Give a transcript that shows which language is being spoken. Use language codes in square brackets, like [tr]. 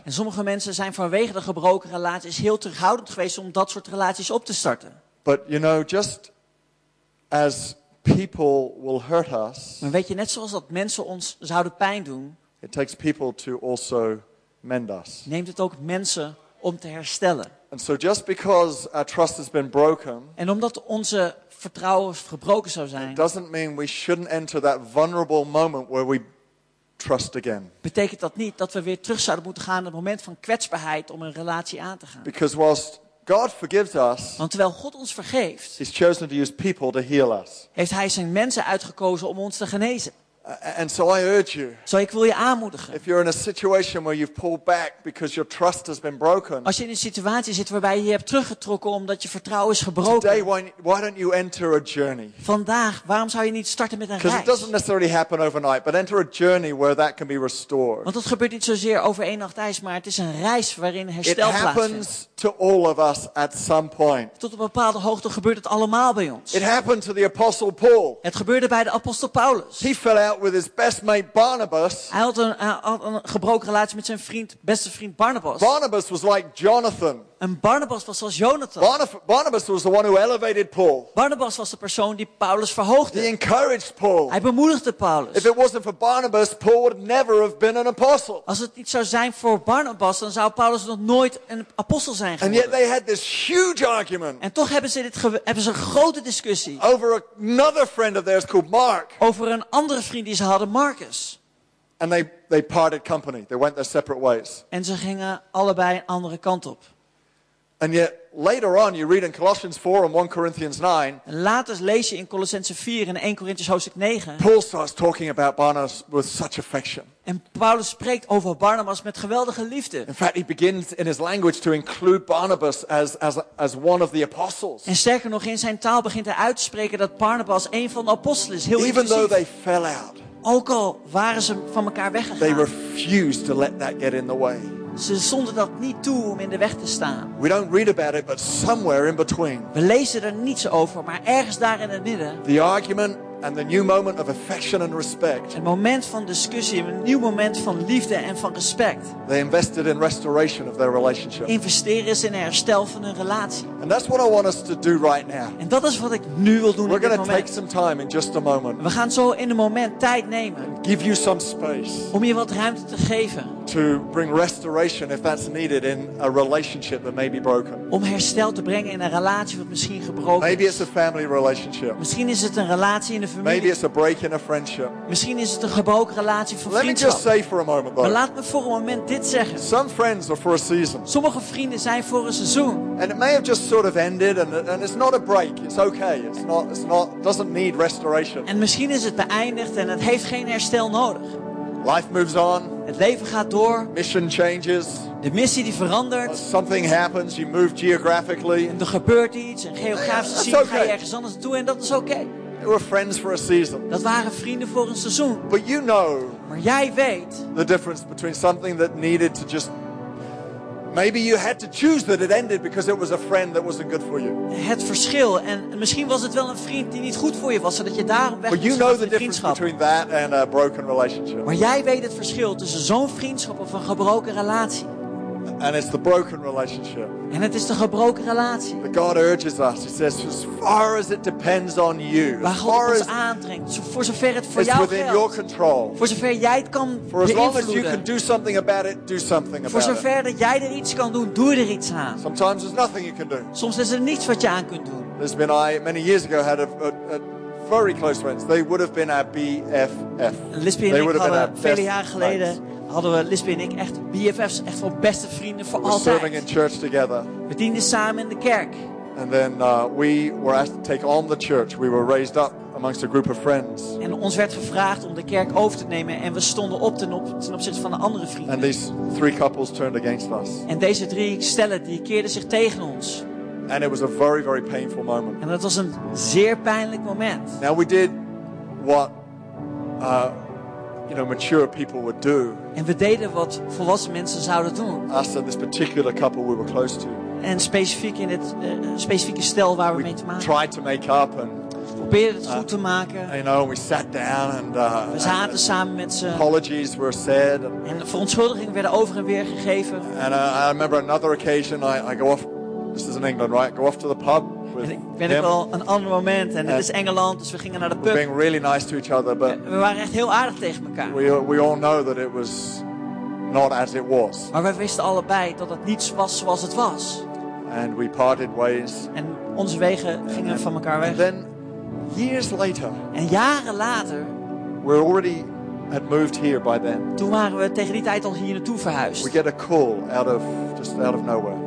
[nl] En sommige mensen zijn vanwege de gebroken relaties heel terughoudend geweest om dat soort relaties op te starten. [en] But you know, just as people will hurt us. [nl] Maar weet je, net zoals dat mensen ons zouden pijn doen. [en] It takes people to also mend us. [nl] Neemt het ook mensen om te herstellen. [en] And so just because our trust has been broken, [nl] en omdat onze vertrouwen gebroken zou zijn, [en] it doesn't mean we shouldn't enter that vulnerable moment where we trust again. [nl] Betekent dat niet dat we weer terug zouden moeten gaan naar het moment van kwetsbaarheid om een relatie aan te gaan? [en] Because whilst God forgives us, [nl] want terwijl God ons vergeeft, [en] He's chosen to use people to heal us. [nl] Heeft Hij zijn mensen uitgekozen om ons te genezen. [en] And so I urge you. [nl] Zo ik wil je aanmoedigen. [en] If you're in a situation where you've pulled back because your trust has been broken. [nl] Als je in een situatie zit waarbij je hebt teruggetrokken omdat je vertrouwen is gebroken. [en] Today, why don't you enter a journey? [nl] Vandaag, waarom zou je niet starten met een reis? [en] Because it doesn't necessarily happen overnight, but enter a journey where that can be restored. [nl] Want dat gebeurt niet zozeer over één nacht ijs, maar het is een reis waarin herstel plaatsvindt. [en] It happens to all of us at some point. [nl] Tot op een bepaalde hoogte gebeurt het allemaal bij ons. [en] It happened to the apostle Paul. [nl] Het gebeurde bij de apostel Paulus. [en] He fell out with his best mate Barnabas. [nl] Hij had een gebroken relatie met zijn vriend, beste vriend Barnabas. [en] Barnabas was like Jonathan. [nl] En Barnabas was zoals Jonathan. [en] Barnabas was the one who elevated Paul. [nl] Barnabas was de persoon die Paulus verhoogde. [en] He encouraged Paul. [nl] Hij bemoedigde Paulus. [en] If it wasn't for Barnabas, Paul would never have been an apostle. [nl] Als het niet zou zijn voor Barnabas, dan zou Paulus nog nooit een apostel zijn geworden. [en] And yet they had this huge argument. [nl] En toch hebben ze een grote discussie. [en] Over another friend of theirs called Mark. [nl] Over een andere vriend die ze hadden, Marcus. [en] And they parted company. They went their separate ways. [nl] En ze gingen allebei een andere kant op. [en] And yet later on you read in Colossians 4 and 1 Corinthians 9. [nl] En later lees je in Colossense 4 en 1 Corinthians hoofdstuk 9. [en] Paul starts talking about Barnabas with such affection. [nl] En Paulus spreekt over Barnabas met geweldige liefde. [en] In fact, he begins in his language to include Barnabas as one of the apostles. [nl] En sterker nog, in zijn taal begint hij uit te spreken dat Barnabas een van de apostelen is. Heel [en] even though they fell out. [nl] Ook al waren ze van elkaar weggegaan. [en] They refused to let that get in the way. [nl] Ze stonden dat niet toe om in de weg te staan. [en] We don't read about it, but somewhere in between. [nl] We lezen er niets over, maar ergens daar in het midden. [en] The argument and the new moment of affection and respect. [nl] Een moment van discussie, een nieuw moment van liefde en van respect. [en] They invested in restoration of their relationship. [nl] Investeren ze in herstel van hun relatie. [en] And that's what I want us to do right now. [nl] En dat is wat ik nu wil doen. [en] We're going to take some time in just a moment. [nl] We gaan zo in een moment tijd nemen. [en] And give you some space. [nl] Om je wat ruimte te geven. [en] To bring restoration if that's needed in a relationship that may be broken. [nl] Om herstel te brengen in een relatie wat misschien gebroken is. [en] Maybe it's a family relationship. [nl] Misschien is het een relatie in de familie. [en] Maybe it's a break in a friendship. [nl] Misschien is het een gebroken relatie van [en] Let [nl] vriendschap. [en] Me just say for a moment, though. [nl] Maar laat me voor een moment dit zeggen. [en] Some friends are for a season. [nl] Sommige vrienden zijn voor een seizoen. [en] And it may have just sort of ended and it's not a break. It's okay. It's not doesn't need restoration. [nl] En misschien is het beëindigd en het heeft geen herstel nodig. [en] Life moves on. [nl] Het leven gaat door. [en] Mission changes. [nl] De missie die verandert. [en] Something happens. You move geographically. [nl] En er gebeurt iets. En geografisch gezien ga je ergens anders toe. En dat is oké. [en] They were friends for a season. [nl] Dat waren vrienden voor een seizoen. [en] But you know. [nl] Maar jij weet. [en] The difference between something that needed to just. Maybe you had to choose that it ended because it was a friend that wasn't good for you. [nl] Het verschil en misschien was het wel een vriend die niet goed voor je was, zodat je daarom weg. [en] But you know the difference between that and a broken relationship. [nl] Maar jij weet het verschil tussen zo'n vriendschap of een gebroken relatie. [en] And it's the broken relationship. [nl] En het is de gebroken relatie. [en] But God urges us. He says, as far as it depends on you. [nl] Waar God [en] far [nl] ons aandringt. Voor zover het voor jou geldt. [en] Within your control. [nl] Voor zover jij het kan [en] for [nl] beïnvloeden. [en] As long as you can do something about it, do something about it. [nl] Voor zover dat jij er iets kan doen, doe er iets aan. [en] Sometimes there's nothing you can do. [nl] Soms is er niets wat je aan kunt doen. [en] There's been I many years ago had a very close friends. They would have been our BFF. [nl] Lisby en ik hadden vele jaren geleden. Hadden we Lisby en ik echt BFF's, echt wel beste vrienden voor altijd. [en] Serving in church together. [nl] We dienden samen in de kerk. [en] And then we were asked to take on the church. We were raised up amongst a group of friends. [nl] En ons werd gevraagd om de kerk over te nemen en we stonden op ten opzichte van de andere vrienden. [en] And these three couples turned against us. [nl] En deze drie stellen die keerden zich tegen ons. [en] And it was a very, very painful moment. [nl] En dat was een zeer pijnlijk moment. [en] Now we did what you know, mature people would do. [nl] En we deden wat volwassen mensen zouden doen. [en] Us and this particular couple we were close to. [nl] En specifiek in het specifieke stel waar we mee te maken. [en] We tried to make up and [nl] probeerden het goed te maken. [en] You know, we sat down and [nl] we zaten and samen met ze. [en] Apologies were said. [nl] En verontschuldigingen werden over en weer gegeven. [en] And I remember another occasion. I go off. This is in England, right? I go off to the pub. [nl] Ik weet wel een ander moment en het is Engeland, dus we gingen naar de pub. [en] Being really nice to each other, but [nl] we waren echt heel aardig tegen elkaar. [en] We all know that it was not as it was. [nl] Maar we wisten allebei dat het niet was zoals het was. [en] And we parted ways. [nl] En onze wegen gingen van elkaar weg. [en] And then, years later. [nl] En jaren later. [en] We're already had moved here by then. [nl] Toen waren we tegen die tijd al hier naartoe verhuisd. [en] We get a call out of nowhere.